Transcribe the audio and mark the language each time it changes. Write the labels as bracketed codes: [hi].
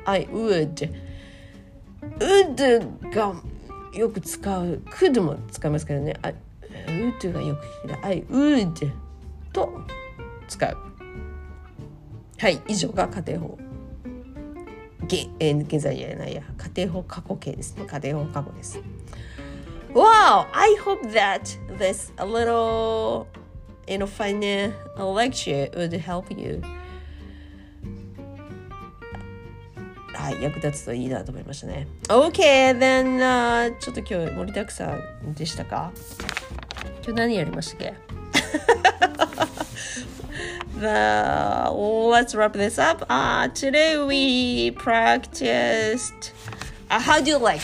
[ja] I would、 would がよく使う、 could も使いますけどね。 Would がよく聞いた、 I would と使う。はい、以上が仮定法、現在じゃないや、仮定法過去形ですね。仮定法過去です。 [en] Wow, I hope that this a little final lecture would help you。 [ja] はい、役立つといいなと思いましたね。 OK, then、ちょっと今日盛りだくさんでしたか。今日何やりましたっけ Let's wrap this up. [en] Today we practiced、how do you like?